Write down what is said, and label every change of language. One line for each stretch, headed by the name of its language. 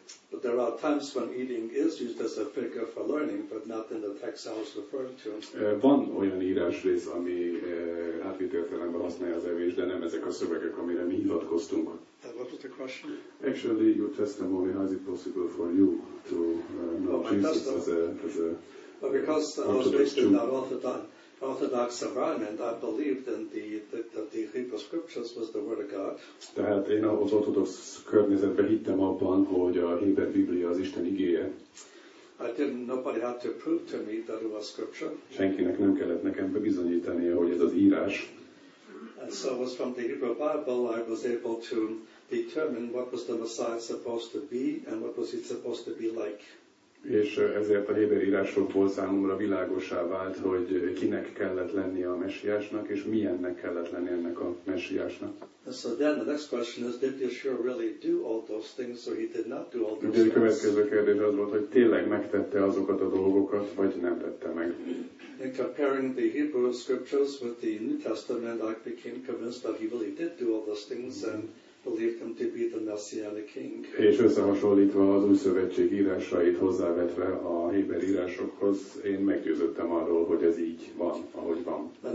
English: But there are times when eating is used as a figure for learning, but not in the text I was referring to.
Hungarian: Van olyan írásrész, ami átvitt értelemben használja az evés, de nem ezek a szövegek, amire mi hivatkoztunk.
English: What was the question? Actually, your testimony, how is it possible for you to know Jesus Well, because I was based in that Orthodox environment, I believed in the Hebrew Scriptures was the Word of God.
Hungarian: Tehát én az ortodox környezetben hittem abban, hogy a Héber Biblia az Isten igéje.
English: Nobody had to prove to me that it was Scripture.
Hungarian: Senkinek nem kellett nekem bebizonyítania, hogy ez az írás.
English: And so it was from the Hebrew Bible I was able to determine what was the Messiah supposed to be and what was he supposed to be like.
Hungarian: És ezért a héber írásokból számomra világossá vált, hogy kinek kellett lennie a messiásnak, és milyennek kellett lennie ennek a messiásnak.
English: So then the next question is, did Yeshua really do all those things, or he did not do all those things?
Hungarian: A következő kérdés az volt, hogy tényleg megtette azokat a dolgokat, vagy nem tette meg.
English: In comparing the Hebrew scriptures with the New Testament, I became convinced that he really did do all those things, and believed him to be the Messianic King.
Hungarian: És összehasonlítva az Új Szövetség írásait hozzávetve a héber írásokhoz, én meggyőződtem arról, hogy ez így van, ahogy van.